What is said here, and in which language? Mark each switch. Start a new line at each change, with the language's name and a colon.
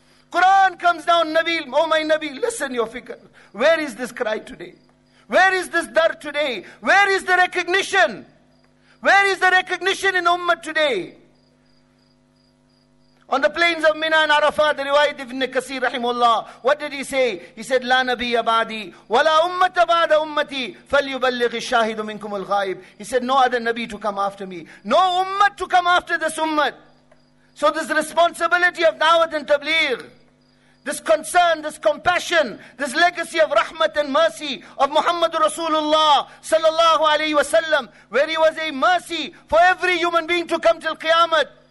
English: Quran comes down, Nabi, oh my Nabi, listen your fikr. Where is this cry today? Where is this dard today? Where is the recognition? Where is the recognition in Ummah today? On the plains of Mina and Arafat, the riwayat Ibn Kasir, rahimullah, what did he say? He said,
Arabic: لا نبي بعدي ولا أمة بعد أمتي فليبلغ الشاهد منكم الغائب.
English: He said, no other Nabi to come after me. No Ummah to come after this Ummah. So this responsibility of Dawat and Tabligh, this concern, this compassion, this legacy of rahmat and mercy of Muhammad Rasulullah sallallahu alayhi wa sallam, where he was a mercy for every human being to come till Qiyamah.